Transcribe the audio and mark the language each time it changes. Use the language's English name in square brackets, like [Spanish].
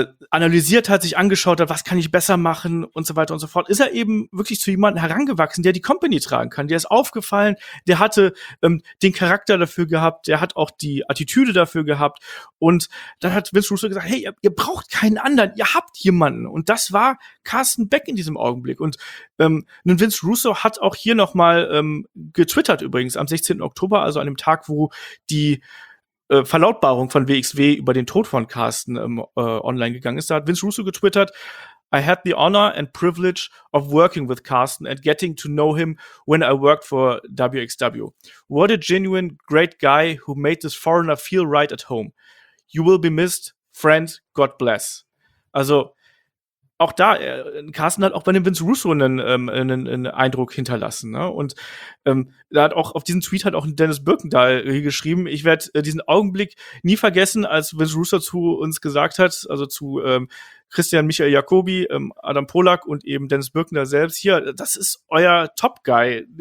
[German] analysiert hat, sich angeschaut hat, was kann ich besser machen und so weiter und so fort, ist er eben wirklich zu jemandem herangewachsen, der die Company tragen kann, der ist aufgefallen, der hatte den Charakter dafür gehabt, der hat auch die Attitüde dafür gehabt und dann hat Vince Russo gesagt, hey, ihr braucht keinen anderen, ihr habt jemanden und das war Carsten Beck in diesem Augenblick und Vince Russo hat auch hier nochmal getwittert übrigens am 16. Oktober, also an dem Tag, wo die Verlautbarung von WXW über den Tod von Carsten online gegangen ist. Da hat Vince Russo getwittert, [English] I had the honor and privilege of working with Carsten and getting to know him when I worked for WXW. What a genuine great guy who made this foreigner feel right at home. You will be missed, friend, God bless. [German] Also, auch da, Carsten hat auch bei dem Vince Russo einen Eindruck hinterlassen. Ne? Und da hat auch auf diesen Tweet hat auch Dennis Birkendahl geschrieben, ich werde diesen Augenblick nie vergessen, als Vince Russo zu uns gesagt hat, also zu Christian Michael Jacobi, Adam Polak und eben Dennis Birkendahl selbst, hier, das ist euer Top-Guy.